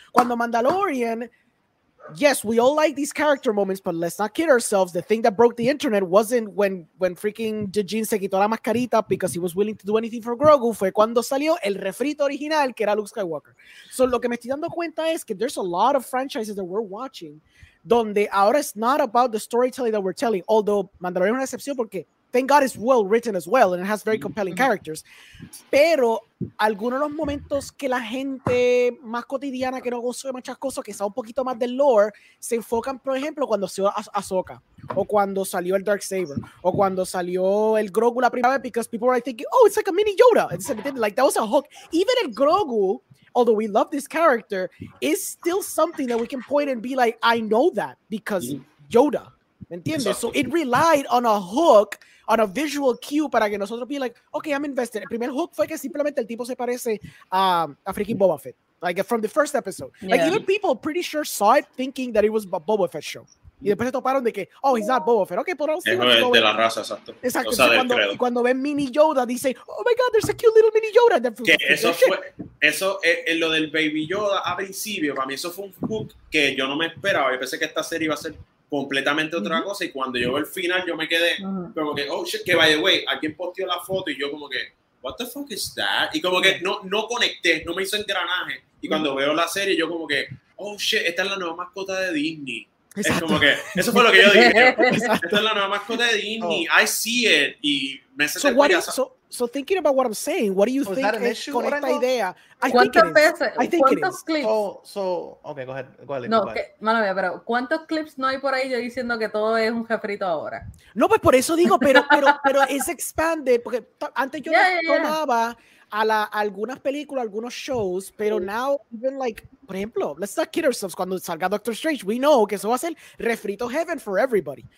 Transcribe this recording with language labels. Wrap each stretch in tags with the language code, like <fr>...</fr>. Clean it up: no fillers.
<en>Cuando Mandalorian, yes, we all like these character moments, but let's not kid ourselves. The thing that broke the internet wasn't when freaking Djinn</en> <es>se quitó la mascarita</es> <en>because he was willing to do anything for Grogu.</en> <es>Fue cuando salió el refrito original que era Luke Skywalker.</es> <en>So</en> <es>lo que me estoy dando cuenta es que</es> <en>there's a lot of franchises that we're watching</en> <es>donde ahora</es> <en>it's not about the storytelling that we're telling. Although Mandalorian</en> <es>es una excepción porque</es> <en>thank God it's well written as well, and it has very compelling characters.</en> <es>Pero algunos de los momentos que la gente más cotidiana, que no consume muchas cosas, que sabe un poquito más del lore, se enfocan, por ejemplo, cuando salió Ahsoka, o cuando salió el Darksaber, o cuando salió el Grogu la primera vez,</es> <en>because people were like thinking, oh, it's like a mini Yoda. It's like, that was a hook. Even el Grogu, although we love this character, is still something that we can point and be like, I know that, because Yoda. ¿Entiendes? Exactly. So it relied on a hook, on a visual cue</en> <es>para que nosotros</es> <en>be like, okay, I'm invested.</en> <es>El primer hook fue que simplemente el tipo se parece a freaking Boba Fett,</es> <en>like from the first episode.</en> <es>Yeah.</es> <en>Like even people pretty sure saw it thinking that it was a Boba Fett show.</en> <es>Y después se toparon de que,</es> <en>oh, he's not Boba Fett.</en> <es>Okay, pero no, sí, no es de la raza, exacto. Exacto. O sea, y cuando ven mini Yoda, dice,</es> <en>oh my God, there's a cute little mini Yoda.</en> <es>Que lo del baby Yoda a principio, para mí eso fue un hook que yo no me esperaba. Yo pensé que esta serie iba a ser completamente otra cosa, y cuando llegó el final yo me quedé como que,</es> <en>oh shit,</en> <es>que</es> <en>by the way,</en> <es>alguien posteó la foto y yo como que,</es> <en>what the fuck is that?</en> <es>Y como que no conecté, no me hizo engranaje. Y cuando veo la serie yo como que,</es> <en>oh shit,</en> <es>esta es la nueva mascota de Disney. Exacto. Es como que, eso fue lo que yo dije. Esta es la nueva mascota de Disney. Oh.</es> <en>I see it.</en> <es>Y me hace</es> <en>sentir So thinking about what I'm saying, what do you think is</en> <es>con esta idea? ¿Cuántos clips?</es> <en>Okay, go ahead.</en> <es>No, mala mía, pero ¿cuántos clips no hay por ahí yo diciendo que todo es un jefrito ahora? No, pues por eso digo, pero es expanded, porque antes yo tomaba algunas películas, algunos shows, pero</es> <en>now, even like,</en> <es>por ejemplo,</es> <en>let's not kid ourselves,</en> <es>cuando salga Doctor Strange,</es> <en>we know</en> <es>que eso va a ser refrito</es> <en>heaven for everybody.</en>